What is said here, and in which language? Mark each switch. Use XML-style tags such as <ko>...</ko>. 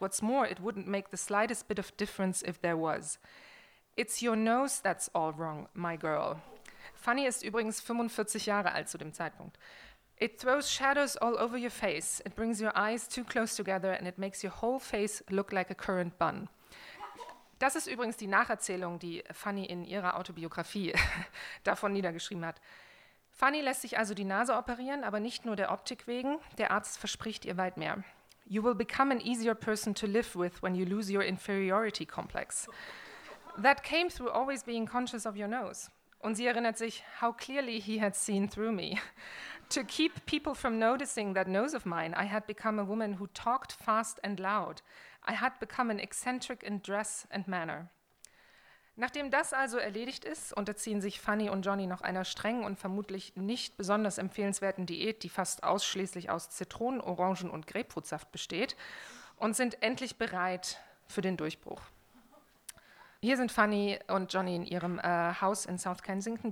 <en>What's more, it wouldn't make the slightest bit of difference if there was. It's your nose that's all wrong, my girl."</en> <de>Fanny ist übrigens 45 Jahre alt zu dem Zeitpunkt.</de> <en>"It throws shadows all over your face. It brings your eyes too close together and it makes your whole face look like a currant bun."</en> <de>Das ist übrigens die Nacherzählung, die Fanny in ihrer Autobiografie davon niedergeschrieben hat. Fanny lässt sich also die Nase operieren, aber nicht nur der Optik wegen. Der Arzt verspricht ihr weit mehr.</de> <en>You will become an easier person to live with when you lose your inferiority complex. That came through always being conscious of your nose.</en> <de>Und sie erinnert sich,</de> <en>how clearly he had seen through me. To keep people from noticing that nose of mine, I had become a woman who talked fast and loud. I had become an eccentric in dress and manner.</en> <de>Nachdem das also erledigt ist, unterziehen sich Fanny und Johnny noch einer strengen und vermutlich nicht besonders empfehlenswerten Diät, die fast ausschließlich aus Zitronen, Orangen und Grapefruitsaft besteht, und sind endlich bereit für den Durchbruch. Hier sind Fanny und Johnny in ihrem Haus in South Kensington.</de>